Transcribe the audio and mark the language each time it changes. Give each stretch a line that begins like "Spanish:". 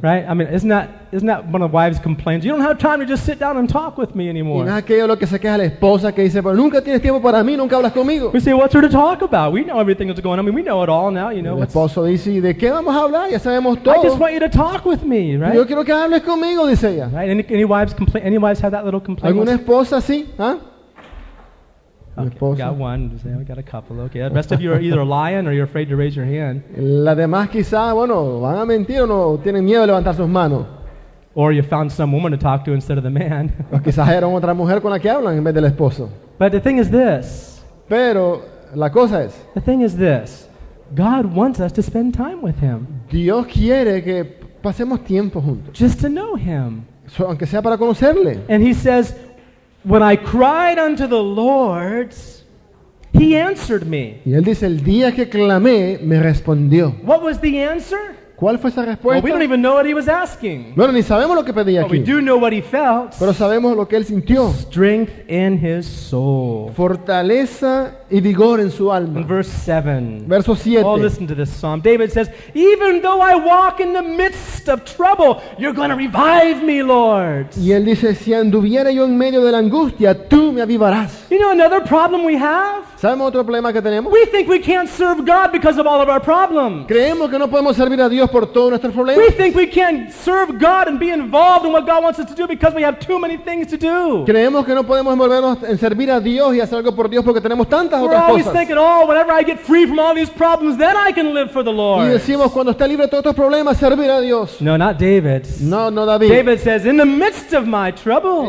English: Right? I mean, isn't that one of the wives complains? You don't have time to just sit down and talk with me anymore.
Spanish: ¿Y no es aquello lo que se queja la esposa que dice, pero nunca tienes tiempo para mí, nunca hablas conmigo?
English: We say, what's there to talk about? We know everything that's going on. I mean, we know it all now, you know.
Spanish: El esposo dice, ¿de qué vamos a hablar? Ya sabemos todo.
English: I just want you to talk with me, right?
Spanish: Yo quiero que hables conmigo, dice ella.
English: Right? Any wives complain? Any wives have that little complaint?
Spanish: ¿Alguna esposa sí? ¿Ah?
English: Okay, we got one. We got a couple. Okay. The rest of you are either lying or you're afraid to raise your hand.
Spanish: La demás quizá, bueno, van a mentir o no tienen miedo de levantar sus manos.
English: Or you found some woman to talk to instead of the man.
Spanish: O quizás era otra mujer con la que hablan en vez del esposo.
English: But the thing is this.
Spanish: Pero la cosa es.
English: The thing is this. God wants us to spend time with Him.
Spanish: Dios quiere que pasemos tiempo juntos.
English: Just to know Him.
Spanish: So, aunque sea para conocerle.
English: And He says, when I cried unto the Lord, He answered me.
Spanish: Y él dice, el día que clamé, me respondió.
English: What was the answer?
Spanish: ¿Cuál fue esa respuesta?
English: Well, we don't even know what he was asking.
Spanish: Bueno, ni sabemos lo que pedía aquí.
English: But we do know what he felt.
Spanish: Pero sabemos lo que él sintió.
English: Strength in his soul.
Spanish: Fortaleza y vigor en su alma.
English: In verse 7.
Spanish: Verso 7.
English: Oh, listen to this psalm. David says, even though I walk in the midst of trouble, you're going to revive me, Lord.
Spanish: Y él dice, si anduviera yo en medio de la angustia, tú me avivarás.
English: You know another problem we have?
Spanish: ¿Sabemos otro problema que tenemos?
English: We think we can't serve God because of all of our problems.
Spanish: Creemos que no podemos servir a Dios por todos nuestros problemas.
English: We think we can't serve God and be involved in what God wants us to do because we have too many things to do.
Spanish: Creemos que no podemos envolvernos en servir a Dios y hacer algo por Dios porque tenemos tantas otras cosas.
English: We're always thinking, oh, whenever I get free from all these problems, then I can live for the Lord.
Spanish: Y decimos, cuando esté libre de todos estos problemas, servir a Dios.
English: No, not David.
Spanish: No, no David.
English: David says, in the midst of my troubles.